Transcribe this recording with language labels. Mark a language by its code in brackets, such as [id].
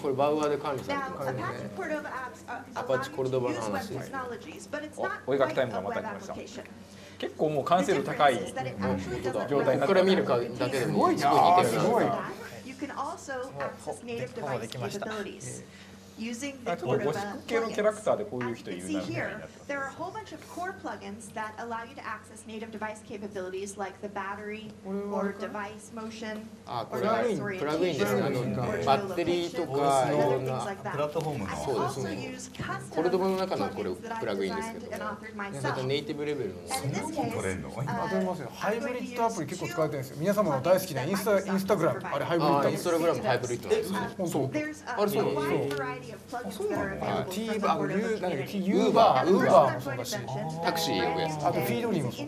[ja] これバウアーで管理されてますね。アパッチコルドバの話です、はい。お絵描きタイムがまた来ました。結構もう完成度高い、うん、状態になってこれ見るかだけでもすごい似てるな。 [en] You can also access native device capabilities. using the core plugins. [ja] ゴシック系のキャラクターでこういう人いるなみたいな。 [en] There are a whole bunch of core plugins that allow you to access native device capabilities like the battery or device motion or orientation or geolocation or other things like that. I also use custom plugins that I've designed and offered myself. And in this case, [ja] ハイブリッドアプリ結構使われてるんですよ。皆様の大好きなインスタグラム、あれハイブリッドインスタグラムハイブリッドなんですよ。あれそうなの？そうなの？ティーバー、ユーバー、ユーバーもそうだし、タクシーをやつ。あとフィードリーもそう。